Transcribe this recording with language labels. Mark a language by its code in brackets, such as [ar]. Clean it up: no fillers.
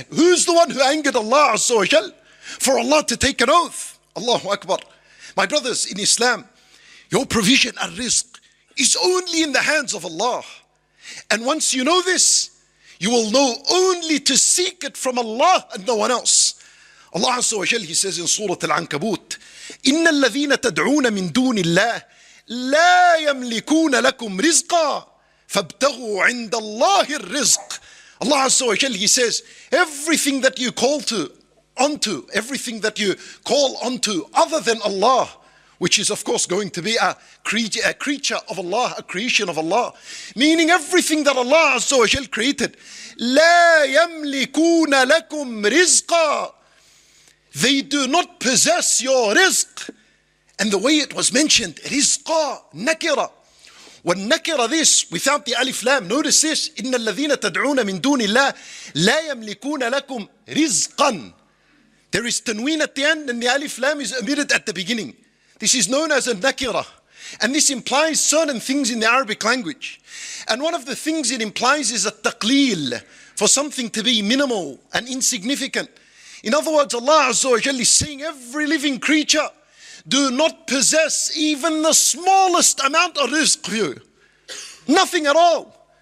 [en] Who's the one who angered Allah Azza wa Jalla for Allah to take an oath? Allahu Akbar. My brothers in Islam, your provision and rizq is only in the hands of Allah. And once you know this, you will know only to seek it from Allah and no one else. Allah Azza wa Jal, He says in Surah Al-Ankabut, [ar] إِنَّ الَّذِينَ تَدْعُونَ مِن دُونِ اللَّهِ لَا يَمْلِكُونَ لَكُمْ رِزْقًا فَابْتَغُوا عِنْدَ اللَّهِ الرِّزْقِ. [en] Allah Azza wa Jal, He says, everything that you call to, onto, everything that you call onto other than Allah, which is of course going to be a creature of Allah, a creation of Allah, meaning everything that Allah Azza wa Jal created, [ar] لَا يَمْلِكُونَ لَكُمْ رِزْقًا. [en] They do not possess your rizq. And the way it was mentioned, rizqa, nakira. When nakira this, without the alif lam, notice this, [ar] إِنَّ الَّذِينَ تَدْعُونَ مِن دُونِ اللَّهِ لَا يَمْلِكُونَ لَكُمْ رِزْقًا. [en] There is tanween at the end and the alif lam is omitted at the beginning. This is known as a nakira. And this implies certain things in the Arabic language. And one of the things it implies is a taqleel, for something to be minimal and insignificant. In other words, Allah Azza wa Jalla is saying, every living creature do not possess even the smallest amount of rizq for you. Nothing at all.